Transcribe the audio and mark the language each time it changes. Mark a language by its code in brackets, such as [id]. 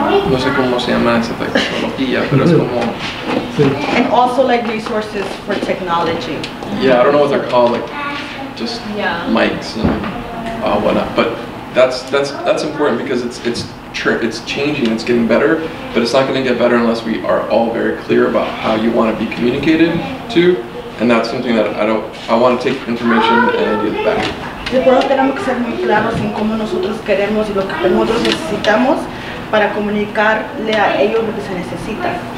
[es] No sé cómo se llama esa tecnología, pero es como... [en] And also like resources for technology. Yeah, I don't know what they're called, like just mics and whatnot. But that's important because it's changing, it's getting better, but it's not going to get better unless we are all very clear about how you want to be communicated to. And that's something that I want to take information and I give back. [es] Recuerdo que tenemos que ser muy claros en cómo nosotros queremos y lo que nosotros necesitamos para comunicarle a ellos lo que se necesita.